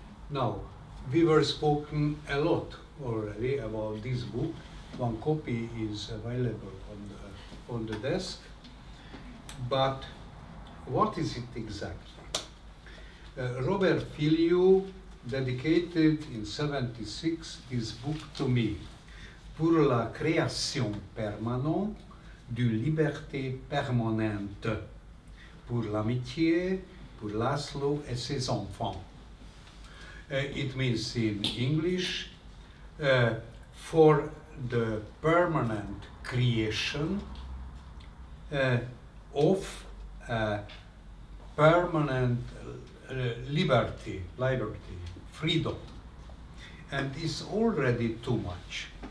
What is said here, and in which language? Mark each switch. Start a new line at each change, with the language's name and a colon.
English: Now, we were spoken a lot already about this book. One copy is available on the desk. But what is it exactly? Robert Filiu dedicated in 1976 this book to me,
French: Pour la création permanente d'une liberté permanente, pour l'amitié, pour László et ses enfants.
English: It means in English, for the permanent creation of a permanent liberty, freedom, and it's already too much.